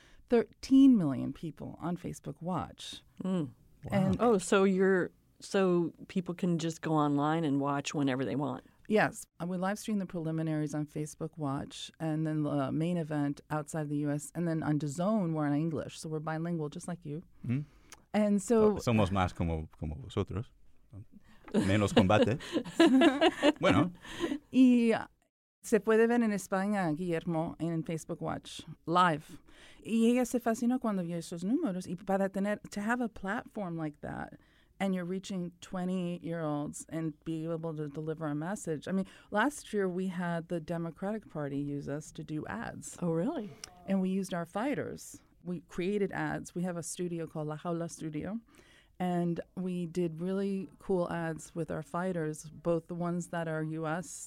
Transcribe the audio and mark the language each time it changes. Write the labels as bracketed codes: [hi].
[en] 13 million people on Facebook Watch. Mm. Wow. And oh, so people can just go online and watch whenever they want. Yes, we live stream the preliminaries on Facebook Watch, and then the main event outside the U.S. and then on DAZN we're in English, so we're bilingual, just like you. Mm-hmm. And so [es] somos más como vosotros, menos combate. Bueno, y se puede ver en España Guillermo en Facebook Watch live. Y ella se fascinó cuando vio esos números. Y para tener, [en] to have a platform like that, and you're reaching 20-year-olds and be able to deliver a message. I mean, last year we had the Democratic Party use us to do ads. Oh, really? And we used our fighters. We created ads. We have a studio called La Jaula Studio. And we did really cool ads with our fighters, both the ones that are U.S.